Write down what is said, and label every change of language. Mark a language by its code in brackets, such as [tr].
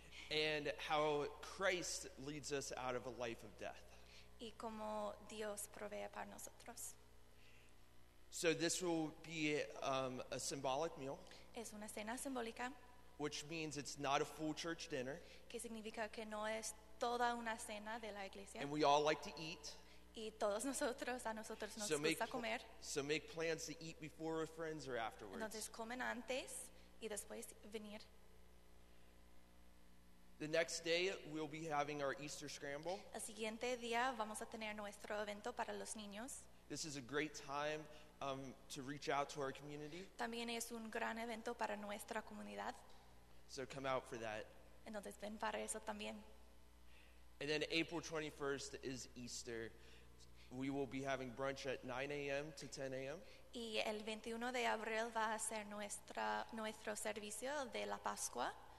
[en] And how Christ leads us out of a life of death. [es] Y cómo Dios provee para nosotros. [en] So this will be a symbolic meal. [es] Es una cena simbólica. [en] Which means it's not a full church dinner. [es] Que significa que no es toda una cena de la iglesia. [en] And we all like to eat. [es] Y todos nosotros, a nosotros nos gusta comer. [en] So make plans to eat before with friends or afterwards. [es] Entonces comen antes y después venir. [en] The next day we'll be having our Easter scramble. [es] El siguiente día vamos a tener nuestro evento para los niños. [en] This is a great time to reach out to our community. [es] También es un gran evento para nuestra comunidad. [en] So come out for that. [es] Entonces ven para eso también. [en] And then April 21st is Easter. We will be having brunch at 9 a.m. to 10 a.m. [es] Y el 21 de abril va a ser nuestro servicio de la Pascua.